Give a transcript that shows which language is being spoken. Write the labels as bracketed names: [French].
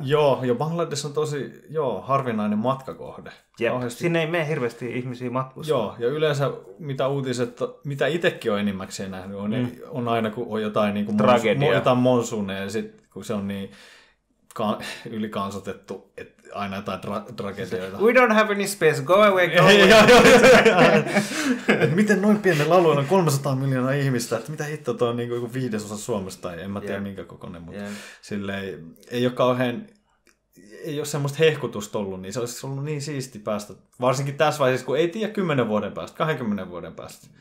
[Finnish] Joo, ja Bangladesh on tosi harvinainen matkakohde. Sinne ei mene hirveästi ihmisiä matkustaa. Joo, ja yleensä mitä uutiset, mitä itsekin on enimmäkseen nähnyt, on aina kun on jotain niin kuin monsuuneja, ja sit, kun se on niin ylikansoitettu, että aina jotain tragedioita. [English] We don't have any space, go away, go away. [Finnish] Miten noin pienellä alueella on 300 miljoonaa ihmistä? Että mitä hittoa, tuo on niin kuin viidesosa Suomesta, en mä tiedä minkä kokoinen, mutta silleen, ei ole kauhean, ei ole semmoista hehkutusta ollut, niin se olisi ollut niin siisti päästä, varsinkin tässä vaiheessa, kun ei tiedä 10 vuoden päästä, 20 vuoden päästä.